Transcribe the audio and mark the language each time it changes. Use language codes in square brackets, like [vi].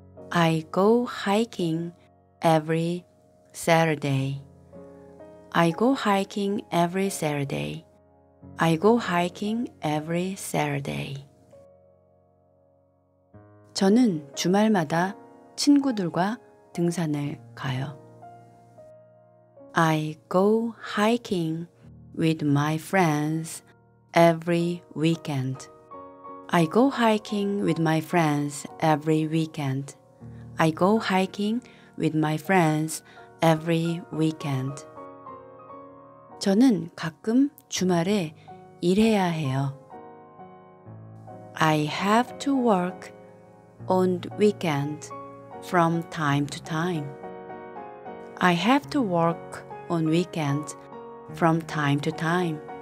[en] I go hiking every Saturday. I go hiking every Saturday. I go hiking every Saturday. [ko] 저는 주말마다 친구들과 등산을 가요. [en] I go hiking with my friends every weekend. I go hiking with my friends every weekend. I go hiking with my friends every weekend. [ko] 저는 가끔 주말에 일해야 해요. [en] I have to work on the weekend from time to time. I have to work on weekend from time to time.